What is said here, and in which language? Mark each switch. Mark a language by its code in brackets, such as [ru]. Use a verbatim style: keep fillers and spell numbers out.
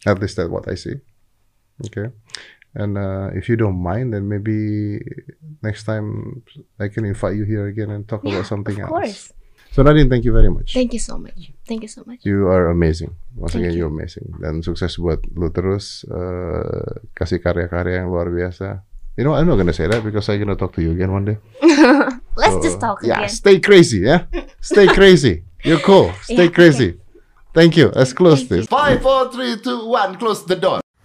[en] At least that's what I see. Okay. And uh, if you don't mind, then maybe next time I can invite you here again and talk yeah, about something of Of course. So Nadine, thank you very much. Thank you so much. Thank you so much. You are amazing. Once again, you're amazing. [id] Dan sukses buat lu terus. Uh, kasih karya-karya yang luar biasa. [en] You know, I'm not gonna say that because I'm gonna talk to you again one day. Let's so, just talk yeah, again. Stay crazy, yeah. Stay crazy. You're cool. Stay yeah, crazy. Okay. Thank you. Let's close this. Five, four, three, two, one. Close the door.